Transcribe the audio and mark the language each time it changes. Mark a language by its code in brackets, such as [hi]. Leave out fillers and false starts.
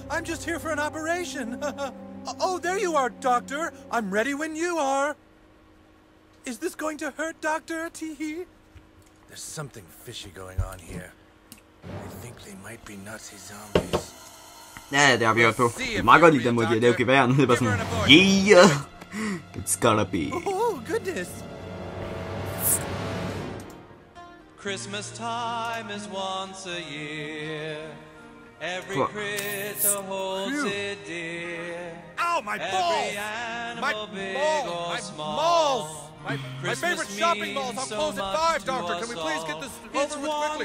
[en] I'm just here for an operation. Oh, there you are, doctor. I'm ready when you are. Is this going to hurt, doctor? Teehee. There's something fishy going on here. I think they might be Nazi zombies. [da] Ja, det har vi hørt på. Meget godt lige den måde, de har lavet geværen. Det er bare sådan, [en] yeah, it's gonna be. Oh, goodness. Christmas time is once a year. Every critter holds it dear. Ow, my balls! Every animal big or small. My balls! My favorite shopping balls. I'll close at 5, doctor. Can we please get this over with quickly?